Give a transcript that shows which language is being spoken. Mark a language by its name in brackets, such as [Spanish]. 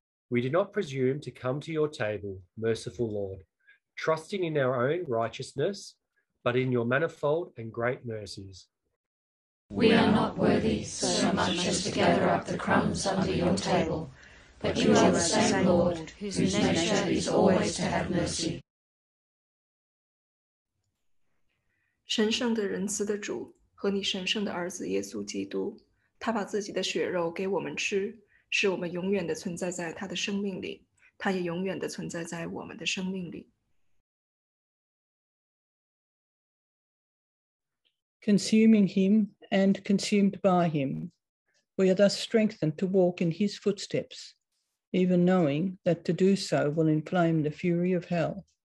[English] We do not presume to come to your table, merciful Lord, trusting in our own righteousness, but in your manifold and great mercies. We are not worthy so much as to gather up the crumbs under your table, but you are the same Lord, whose nature is always to have mercy. [Chinese] 神圣的仁慈的主和你神圣的儿子耶稣基督，他把自己的血肉给我们吃，使我们永远地存在在他的生命里，他也永远地存在在我们的生命里。 [English] Consuming him and consumed by him, we are thus strengthened to walk in his footsteps, even knowing that to do so will inflame the fury of hell.